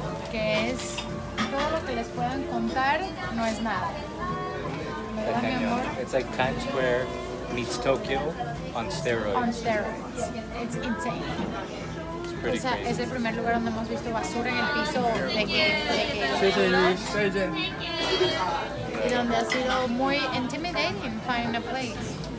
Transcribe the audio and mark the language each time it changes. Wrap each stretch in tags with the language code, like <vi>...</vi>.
<es>que es todo lo que les puedan contar no es nada. ¿Verdad, mi amor?</es> <en>It's like Times Square meets Tokyo on steroids. On steroids, it's insane. It's crazy.</en> <es>Es el primer lugar donde hemos visto basura en el piso de que. Sí. Y donde ha sido muy</es> <en>intimidating find a place.</en>